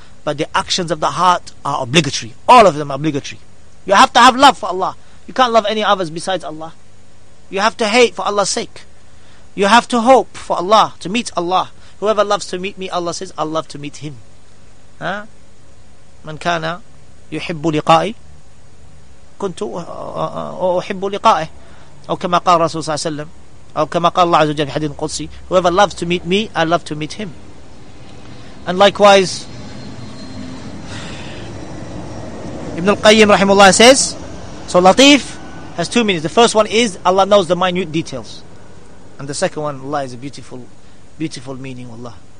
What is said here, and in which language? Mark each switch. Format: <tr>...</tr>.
<en>but the actions of the heart are obligatory. All of them are obligatory. You have to have love for Allah. You can't love any others besides Allah. You have to hate for Allah's sake. You have to hope for Allah, to meet Allah. Whoever loves to meet me, Allah says, I'll love to meet him. Huh?</en> <ar>من كان يحب لقائي كنت أحب لقائي أو كما قال رسول صلى الله عليه وسلم أو كما قال الله عز وجل في حديث قدسي.</ar> <en>Whoever loves to meet me, I love to meet him. And likewise, Ibn al-Qayyim rahimullah says, so Latif has two meanings. The first one is Allah knows the minute details, and the second one, Allah is a beautiful, beautiful meaning. Allah.</en>